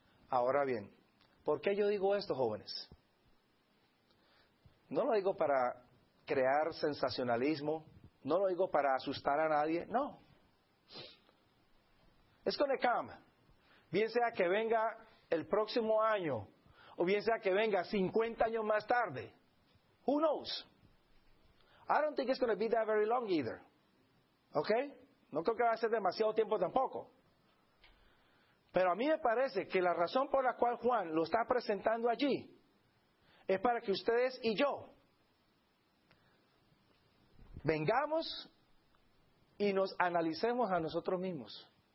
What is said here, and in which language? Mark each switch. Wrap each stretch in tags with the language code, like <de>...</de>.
<es>Ahora bien, ¿por qué yo digo esto, jóvenes? No lo digo para crear sensacionalismo, no lo digo para asustar a nadie, no.</es> <en>It's gonna come.</en> <es>Bien sea que venga el próximo año, o bien sea que venga 50 años más tarde.</es> <en>Who knows? I don't think it's going to be that very long either. ¿Ok?</en> <es>No creo que va a ser demasiado tiempo tampoco. Pero a mí me parece que la razón por la cual Juan lo está presentando allí es para que ustedes y yo vengamos y nos analicemos a nosotros mismos.</es>